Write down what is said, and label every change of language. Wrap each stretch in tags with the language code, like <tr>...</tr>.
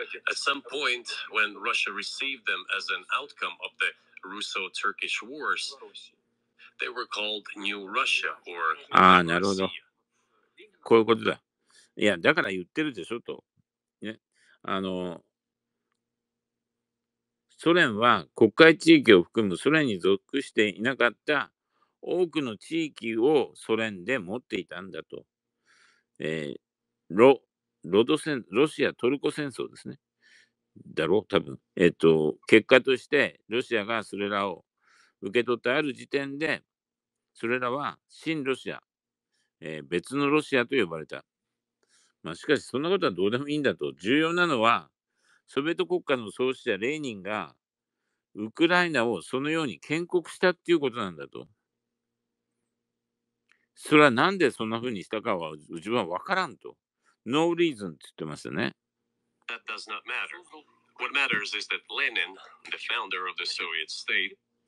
<en>At some point, when Russia received them as an outcome of the Russo-Turkish wars,They were called New Russia or...</en> <ja>ああ、なるほど。こういうことだ。いや、だから言ってるでしょと。ね。ソ連は黒海地域を含むソ連に属していなかった多くの地域をソ連で持っていたんだと。ロシア・トルコ戦争ですね。だろう、多分。結果としてロシアがそれらを受け取ってある時点で、それらは新ロシア、別のロシアと呼ばれた。まあ、しかしそんなことはどうでもいいんだと。重要なのはソビエト国家の創始者レーニンがウクライナをそのように建国したっていうことなんだと。それはなんでそんなふうにしたかは自分はわからんと。</ja> <en>No reason</en> <ja>って言ってますよね。</ja> <en>That does not matter. What matters is that Lenin, the founder of the Soviet state,</en>